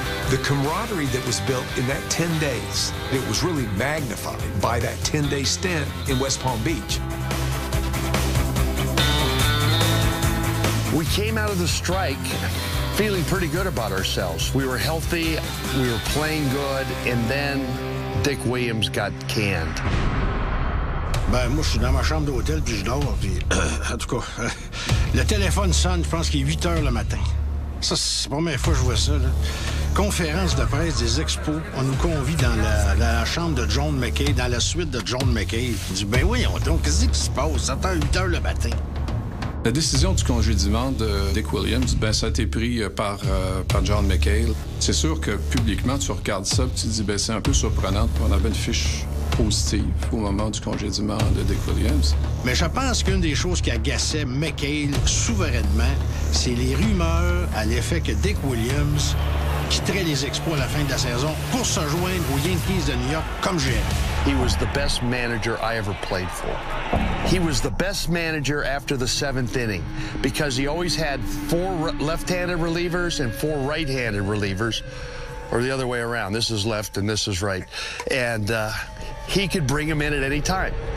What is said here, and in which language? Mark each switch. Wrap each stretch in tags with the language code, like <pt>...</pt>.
<en>The camaraderie that was built in that 10 days, it was really magnified by that 10-day stint in West Palm Beach. We came out of the strike feeling pretty good about ourselves. We were healthy, we were playing good, and then Dick Williams got canned.</en> <fr>Ben, moi, je suis dans ma chambre d'hôtel, puis je dors, puis... en tout cas, le téléphone sonne, je pense qu'il est 8 heures le matin. Ça, c'est la première fois que je vois ça, là. Conférence de presse des Expos. On nous convie dans la chambre de John McKay, dans la suite de John McKay. Il dit, ben oui, donc, qu'est-ce qui se passe? Ça attend 8 heures le matin. La décision du congédiement de Dick Williams, ben, ça a été pris par John McKay. C'est sûr que, publiquement, tu regardes ça, puis tu te dis, ben, c'est un peu surprenant. On avait une fiche positive au moment du congédiement de Dick Williams. Mais je pense qu'une des choses qui agaçait McHale souverainement, c'est les rumeurs à l'effet que Dick Williams quitterait les Expos à la fin de la saison pour se joindre aux Yankees de New York comme GM.</fr> <en>He was the best manager I ever played for. He was the best manager after the seventh inning because he always had four left-handed relievers and four right-handed relievers, or the other way around. This is left and this is right. And he could bring him in at any time.</en>